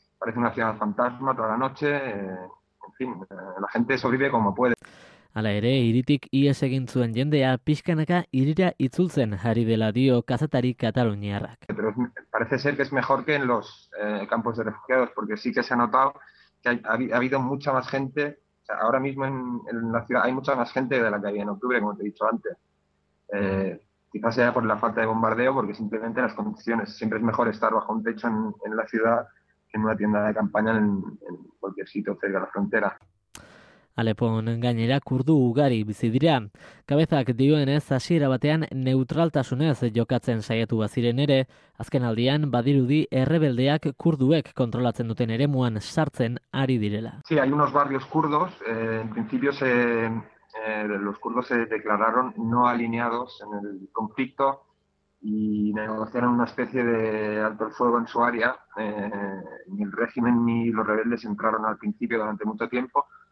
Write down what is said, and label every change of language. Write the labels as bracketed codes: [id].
[es] Parece una ciudad fantasma toda la noche. En fin, la gente sobrevive como puede. [eu] Hala ere, iritik ies egin zuen jendea pixkanaka irira itzultzen ari dela dio kazetari kataluniarrak. [es] Pero parece ser que es mejor que en los campos de refugiados, porque sí que se ha notado que ha habido mucha más gente. O sea, ahora mismo en la ciudad hay mucha más gente de la que había en octubre, como te he dicho antes. Quizás sea por la falta de bombardeo, porque simplemente las condiciones. Siempre es mejor estar bajo un techo en la ciudad en una tienda de campaña en cualquier sitio cerca de la frontera. [eu] Alepon gainera kurdu ugari bizi dira. Kabezak dioenez hasiera batean neutraltasunez jokatzen saiatu baziren ere, azkenaldian badirudi errebeldeak kurduek kontrolatzen duten eremuan sartzen ari direla. [es] Sí, hay unos barrios kurdos. En principio los kurdos se declararon no alineados en el conflicto y negociaron una especie de alto el fuego en su área. Ni el régimen ni los rebeldes entraron al principio durante mucho tiempo.